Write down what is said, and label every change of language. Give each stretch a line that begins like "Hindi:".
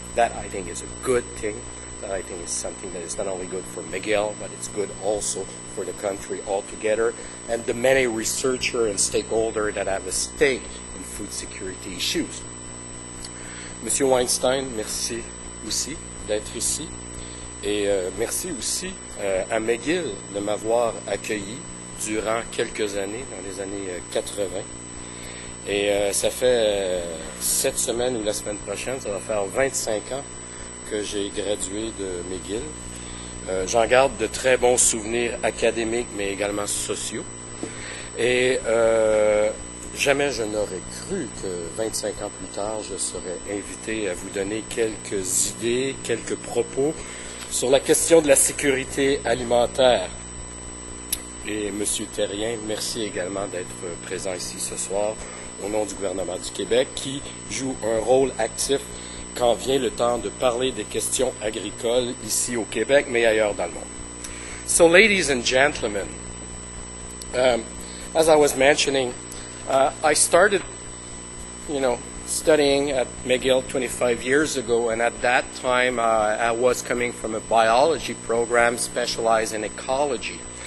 English: That, I think, is a good thing. That, I think, is something that is not only good for McGill, but it's good also for the country altogether. And the many researchers and stakeholders that have a stake in food security issues.
French: Monsieur Weinstein, merci aussi d'être ici. Et merci aussi à McGill de m'avoir accueilli durant quelques années, dans les années 80. Et ça fait cette semaine ou la semaine prochaine, ça va faire 25 ans que j'ai gradué de McGill. J'en garde de très bons souvenirs académiques, mais également sociaux. Et jamais je n'aurais cru que 25 ans plus tard, je serais invité à vous donner quelques idées, quelques propos sur la question de la sécurité alimentaire. Et M. Therrien, merci également d'être présent ici ce soir au nom du gouvernement du Québec, qui joue un rôle actif quand vient le temps de parler des questions agricoles ici au Québec, mais ailleurs dans le monde.
English: So, ladies and gentlemen, as I was mentioning, I started, you know, studying at McGill 25 years ago, and at that time I was coming from a biology program specialized in ecology.